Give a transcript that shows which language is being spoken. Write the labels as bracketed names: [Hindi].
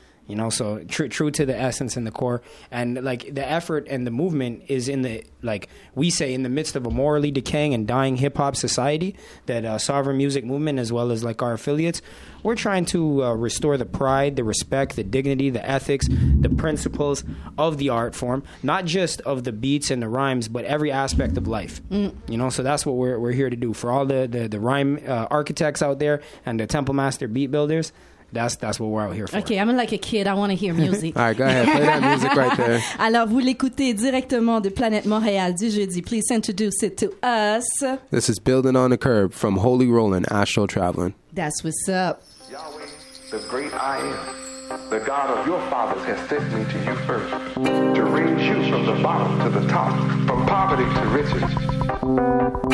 [English] You know, so true to the essence and the core. And, like, the effort and the movement is in the, like, we say in the midst of a morally decaying and dying hip-hop society, that Sovereign Music Movement, as well as, like, our affiliates, we're trying to restore the pride, the respect, the dignity, the ethics, the principles of the art form, not just of the beats and the rhymes, but every aspect of life. You know, so that's what we're here to do. For all the rhyme architects out there and the Temple Master beat builders, That's what we're out here for. Okay, I'm like a kid. I want to hear music. All right, go ahead. Play that music right there. [French] Alors, vous l'écoutez directement de Planète Montréal du jeudi. [English] Please introduce it to us. This is Building on the Curb from Holy Rolling, Astral Traveling. That's what's up. Yahweh, the great I Am, the God of your fathers, has sent me to you first to raise you from the bottom to the top, from poverty to riches.